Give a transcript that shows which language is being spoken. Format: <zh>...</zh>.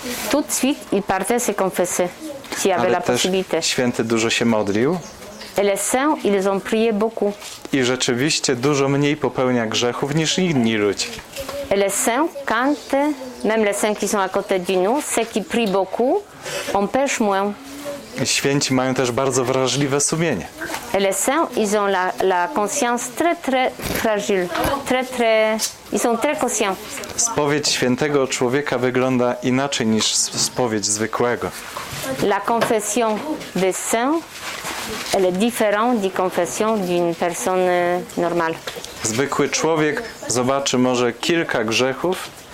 <fr>Tout de suite il partait se confesser, s'il avait la possibilité.</fr> <pl>Święty dużo się modlił.</pl> <fr>Et le saint, ils ont prié beaucoup.</fr> <pl>I rzeczywiście dużo mniej popełnia grzechów niż inni ludzie.</pl> <fr>Et le saint, quand même les saints qui sont à côté de nous, ceux qui prient beaucoup, on pêche moins.</fr> <pl>Święci mają też bardzo wrażliwe sumienie.</pl> <fr>Les saints, ils ont la conscience très très fragile, ils sont très conscients.</fr> <pl>Spowiedź świętego człowieka wygląda inaczej niż spowiedź zwykłego.</pl> <fr>La confession des saints, elle est différente de confession d'une personne normale.</fr> <pl>Zwykły człowiek zobaczy może kilka grzechów.</pl>